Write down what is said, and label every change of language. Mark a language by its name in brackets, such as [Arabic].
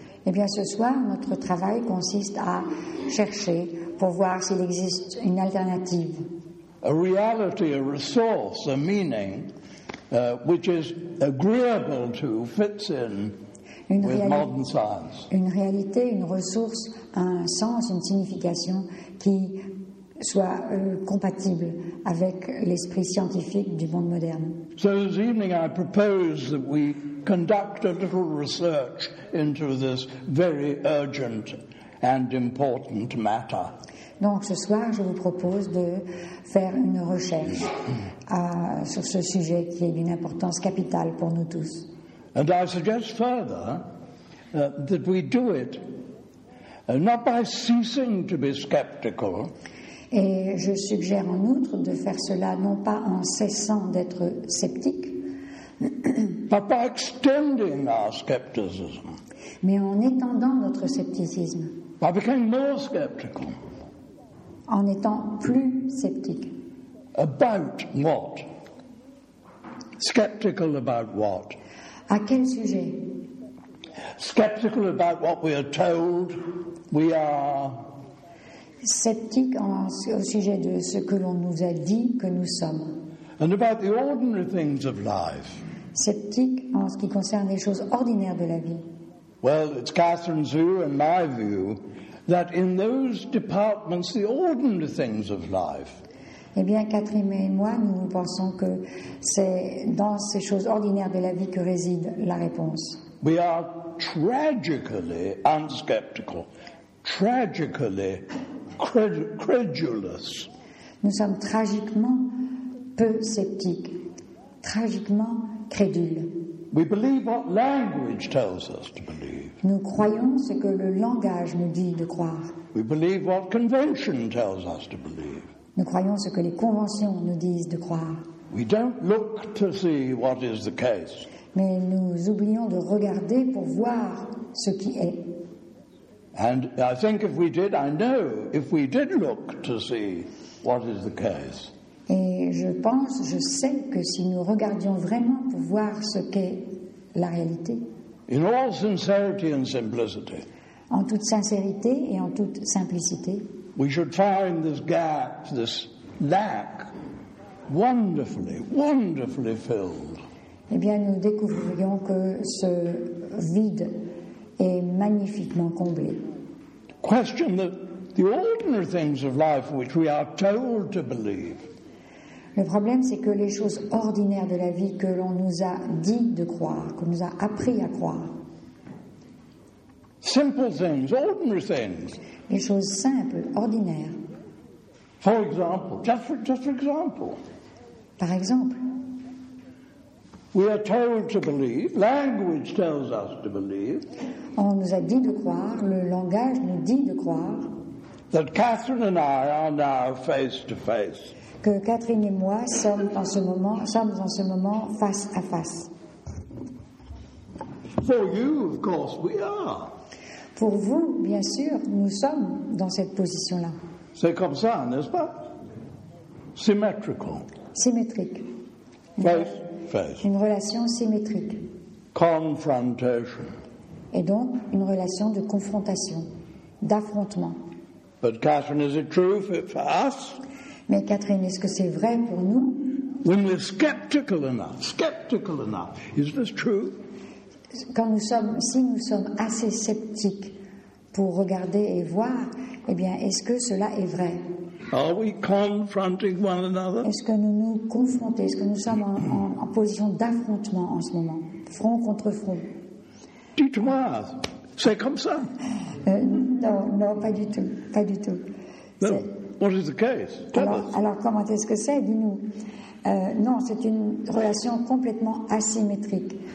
[French] Eh bien, ce soir, notre travail consiste à chercher pour voir s'il existe une alternative. [English] A reality, a resource, a meaning, which is agreeable to, fits in with modern science. [French] Une réalité, une ressource, un sens, une signification qui soit compatible avec l'esprit scientifique du monde moderne. [English] So this evening I propose that we conduct a little research into this very urgent and important matter. [French] Donc ce soir, je vous propose de faire une recherche sur ce sujet qui est d'une importance capitale pour nous tous. [English] And I suggest further that we do it not by ceasing to be skeptical. [French] Et je suggère en outre de faire cela non pas en cessant d'être sceptique, [English] but by extending our skepticism. [French] Mais en étendant notre scepticisme. [English] By becoming more skeptical. [French] En étant plus sceptique. [English] About what? Skeptical about what? [French] À quel sujet? [English] Skeptical about what we are told we are. [French] Sceptique au sujet de ce que l'on nous a dit que nous sommes. [English] And about the ordinary things of life. [French] Sceptique en ce qui concerne les choses ordinaires de la vie. [English] Well, it's Catherine's view and my view that in those departments, the ordinary things of life. [French] Eh bien, Catherine et moi, nous pensons que c'est dans ces choses ordinaires de la vie que réside la réponse. [English] We are tragically unskeptical, tragically credulous. [French] Nous sommes tragiquement peu sceptiques, tragiquement crédules. [English] We believe what language tells us to believe. [French] Nous croyons ce que le langage nous dit de croire. [English] We believe what convention tells us to believe. [French] Nous croyons ce que les conventions nous disent de croire. [English] We don't look to see what is the case. [French] Mais nous oublions de regarder pour voir ce qui est. [English] And I think if we did, I know, if we did look to see what is the case. [French] Et je pense, je sais que si nous regardions vraiment pour voir ce qu'est la réalité, [English] in all sincerity and simplicity, [French] en toute sincérité et en toute simplicité, [English] we should find this gap, this lack, wonderfully, wonderfully filled. [French] Eh bien, nous découvrions que ce vide est magnifiquement comblé. [English] Question that the ordinary things of life which we are told to believe. [French] Le problème, c'est que les choses ordinaires de la vie que l'on nous a dit de croire, qu'on nous a appris à croire. [English] Simple things, ordinary things. [French] Les choses simples, ordinaires. [English] For example, just for example. [French] Par exemple. [English] We are told to believe, language tells us to believe. [French] On nous a dit de croire, le langage nous dit de croire. [English] That Catherine and I are now face to face. [French] Que Catherine et moi sommes en ce moment face à face. [English] For you, of course, we are. [French] Pour vous, bien sûr, nous sommes dans cette position-là. C'est comme ça, n'est-ce pas? [English] Symmetrical. [French] Symétrique. [English] Face, face. [French] Une relation symétrique. [English] Confrontation. [French] Et donc, une relation de confrontation, d'affrontement. [English] But Catherine, is it true for us? [French] Mais Catherine, est-ce que c'est vrai pour nous? [English] When we're skeptical enough, is this true? [French] Quand nous sommes, si nous sommes assez sceptiques pour regarder et voir, eh bien, est-ce que cela est vrai? [English] Are we confronting one another? [French] Est-ce que nous nous confrontons? Est-ce que nous sommes en position d'affrontement en ce moment, front contre front? Dites-moi, c'est comme ça? Non, pas du tout, pas du tout. [English] No. What is the case? [French] Alors, comment est-ce que c'est? Dis-nous. Non, c'est une relation complètement asymétrique.